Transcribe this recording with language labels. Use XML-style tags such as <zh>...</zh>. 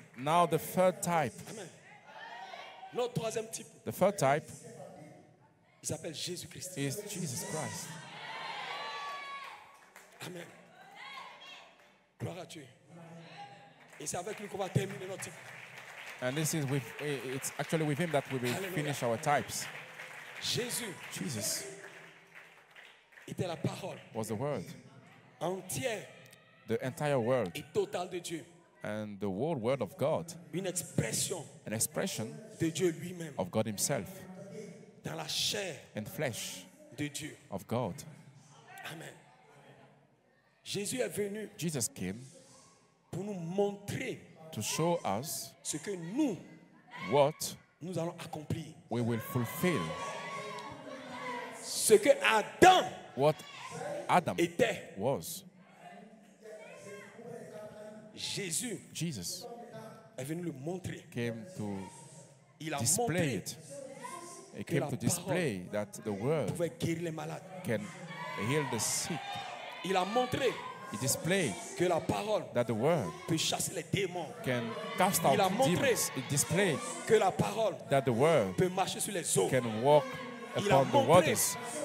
<en>Now the third type.</en> <fr>Amen. Notre troisième type.</fr> <en>The third type.</en> <fr>Il s'appelle Jésus-Christ.</fr> <en>Is Jesus Christ.</en> <fr>Amen. Gloire à Dieu. Et c'est avec lui qu'on va terminer notre type.</fr> <en>And this is with it's actually with him that we will Alleluia. Finish our types.</en> <fr>Jésus.</fr> <en>Jesus.</en> <fr>Était la parole.</fr> <en>Was the word.</en> <fr>Entier.</fr> <en>The entire world.</en> <fr>Et total de Dieu.</fr> <en>And the whole word of God.</en> <fr>Une expression.</fr> <en>An expression.</en> <fr>De Dieu lui-même.</fr> <en>Of God himself.</en> <fr>Dans la chair.</fr> <en>In flesh.</en> <fr>De Dieu.</fr> <en>Of God.</en> <fr>Amen. Jésus est venu.</fr> <en>Jesus came.</en> <fr>Pour nous montrer.</fr> <en>To show us.</en> <fr>Ce que nous.</fr> <en>What.</en> <fr>Nous allons accomplir.</fr> <en>We will fulfill.</en> <fr>Ce que Adam.</fr> <en>What Adam</en> <fr>était.</fr> <en>Was.</en> <fr>Jésus.</fr> <en>Jesus.</en> <fr>Est venu le montrer.</fr> <en>Came to.</en> <fr>Il a</fr> <en>display</en> <fr>montré.</fr> <en>It. He came to display that the word.</en> <fr>Pouvait guérir les malades.</fr> <en>Can heal the sick.</en> <fr>Il a montré.</fr> <en>He displayed.</en> <fr>Que la parole.</fr> <en>That the word.</en> <fr>Peut chasser les démons.</fr> <en>Can cast out</en> <fr>il a montré.</fr> <en>Demons. He displayed.</en> <fr>Que la parole.</fr> <en>That the word.</en> <fr>Peut marcher sur les eaux.</fr> <en>Can walk. Upon</en> <fr>il a montré</fr> <en>the waters,</en>